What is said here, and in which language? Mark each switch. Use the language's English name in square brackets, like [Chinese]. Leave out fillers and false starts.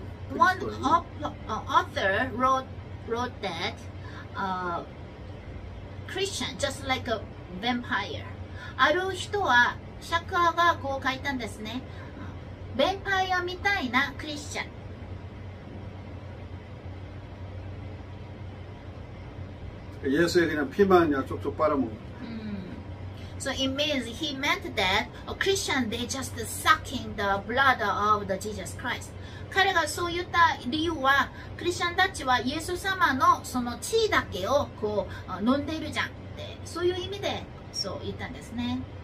[English] One author wrote that Christian just like a vampire. [Japanese] ある人は釈迦がこう書いたんですね。ヴァンパイアみたいなクリスチャン。イエスは [Korean] 그냥피만쪽쪽빨아먹는 [English] So it means he meant that a Christian they just sucking the blood of the Jesus Christ. [Japanese] 彼がそう言った理由は、クリスチャンたちはイエス様のその血だけをこう飲んでいるじゃんって、そういう意味でそう言ったんですね。